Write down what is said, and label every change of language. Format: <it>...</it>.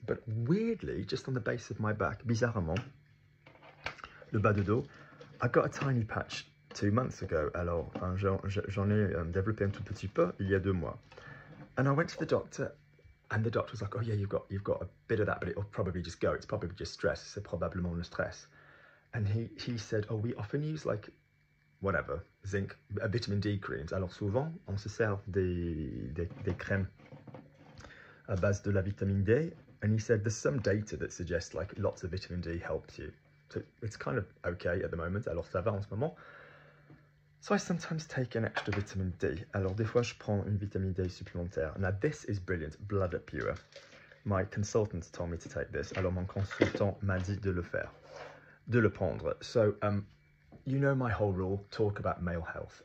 <en>But weirdly, just on the base of my back,</en> <fr>bizarrement, le bas de dos,</fr> <en>I got a tiny patch 2 months ago.</en> <fr>Alors, j'en ai développé un tout petit peu il y a 2 mois.</fr> <en>And I went to the doctor, and the doctor was like, oh yeah, you've got a bit of that, but it'll probably just go. It's probably just stress.</en> <fr>C'est probablement le stress.</fr> <en>And he said, oh, we often use like, whatever, zinc, a vitamin D creams.</en> <fr>Alors souvent, on se sert des crèmes à base de la vitamine D.</fr> <en>And he said, there's some data that suggests like lots of vitamin D helps you. So it's kind of okay at the moment.</en> <fr>Alors ça va en ce moment.</fr> <en>So I sometimes take an extra vitamin D.</en> <fr>Alors des fois, je prends une vitamine D supplémentaire.</fr> <en>Now this is brilliant, blood pure. My consultant told me to take this.</en> <fr>Alors mon consultant m'a dit de le faire, de le prendre.</fr> <en>So, you know my whole rule, talk about male health.</en>